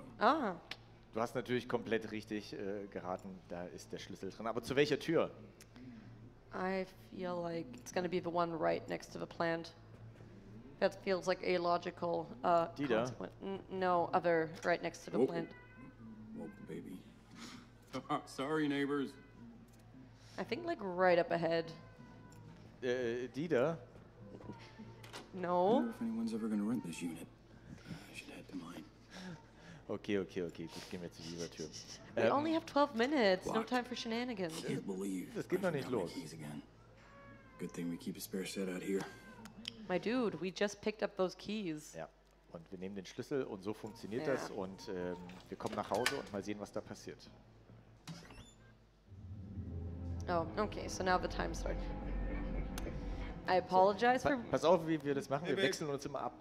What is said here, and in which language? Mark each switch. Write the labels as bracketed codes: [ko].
[de] Du hast natürlich komplett richtig geraten, da ist der Schlüssel drin. Aber zu welcher Tür? [en] I feel like it's going to be the one right next to the plant. That feels like a logical Dida. No, other right next to the plant. Woke the baby. Sorry, neighbors. I think like right up ahead. Dida. No. I wonder if anyone's ever going to rent this unit. I should head to mine. Okay. Just give me to Dida too. We only have 12 minutes. Locked. No time for shenanigans. I can't believe. [de] Das geht noch nicht los. [en] Good thing we keep a spare set out here. My dude, we just picked up those keys. [de] Ja, und wir nehmen den Schlüssel und so funktioniert das und wir kommen nach Hause und mal sehen, was da passiert. [en] Oh, okay, so now the time starts. I apologize for... [de] Pass auf, wie wir das machen, wir wechseln uns immer ab.